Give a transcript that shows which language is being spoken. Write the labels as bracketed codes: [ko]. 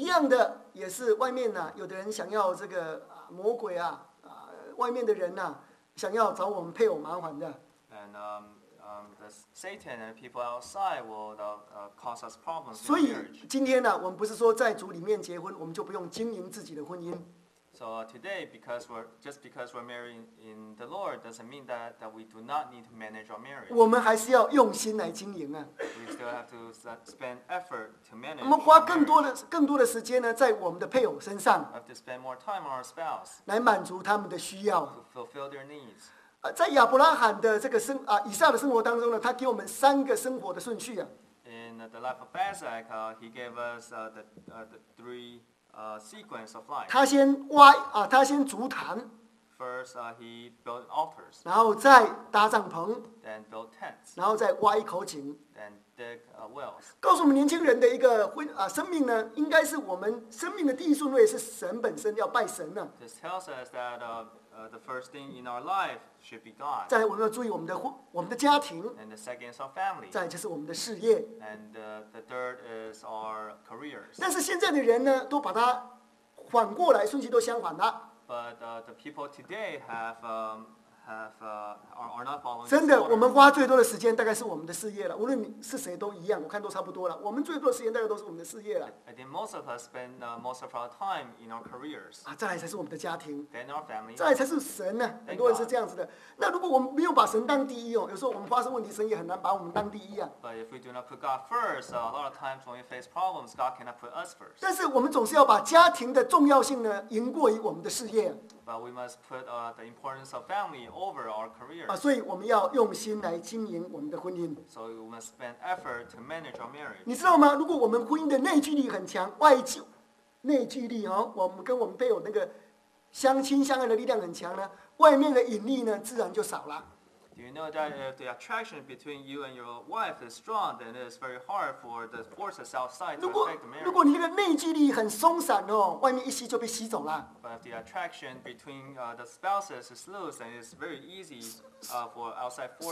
[zh] 一样的，也是外面呐、啊，有的人想要这个魔鬼啊，外面的人呐、啊，想要找我们配偶麻烦的。 [en] And the Satan and people outside will cause us problems. [zh] 所以今天呢、啊，我们不是说在主里面结婚，我们就不用经营自己的婚姻。 [en] So today, because we're marrying in the Lord, doesn't mean that we do not need to manage our marriage. [zh] 我们还是要用心来经营啊。 [en] We still have to spend effort to manage. [zh] 我们花更多的时间呢，在我们的配偶身上。 [en] Have to spend more time on our spouse. [zh] 来满足他们的需要。 [en] To fulfill their needs. [zh] 在亚伯拉罕的这个生啊以撒的生活当中呢，他给我们三个生活的顺序啊。 [en] In the life of Isaac, he gave us the three. Sequence of life. [zh] 他先挖啊，他先筑坛。 [en] First, he built altars. [zh] 然后再搭帐篷。 [en] Then build tents. [zh] 然后再挖一口井。 [en] Then dig wells. [zh] 告诉我们年轻人的一个婚啊生命呢，应该是我们生命的第一顺位是神本身，要拜神呢。 [en] This tells us that the first thing in our life should be God. [zh] 再来，我们要注意我们的家庭。 [en] And the second is our family. [zh] 再来就是我们的事业。 [en] And the third is our careers. [zh] 但是现在的人呢，都把它反过来，顺序都相反了。 [en] But the people today are not following. [zh] 真的，我们花最多的时间大概是我们的事业了。无论是谁都一样，我看都差不多了。我们最多的时间大概都是我们的事业了。 [en] I think most of us spend most of our time in our careers. [zh] 啊，再来才是我们的家庭。 [en] Then our family. [zh] 再来才是神呢、啊。很多人是这样子的。那如果我们没有把神当第一哦，有时候我们发生问题，神也很难把我们当第一啊。 [en] But if we do not put God first, a lot of times when we face problems, God cannot put us first. [zh] 但是我们总是要把家庭的重要性呢，赢过于我们的事业。 [en] But we must put the importance of family over our career. [zh] 所以我们要用心来经营我们的婚姻。 [en] So we must spend effort to manage our marriage. [zh] 你知道吗？如果我们婚姻的内聚力很强，内聚力哦，我们跟我们配偶那个相亲相爱的力量很强呢，外面的引力呢，自然就少了。 [en] Do you know that if the attraction between you and your wife is strong, then it's very hard for the forces outside to affect the marriage. [zh] 如果你的内聚力很松散哦，外面一吸就被吸走了。 [en] If the attraction between the spouses is loose, and it's very easy for outside forces.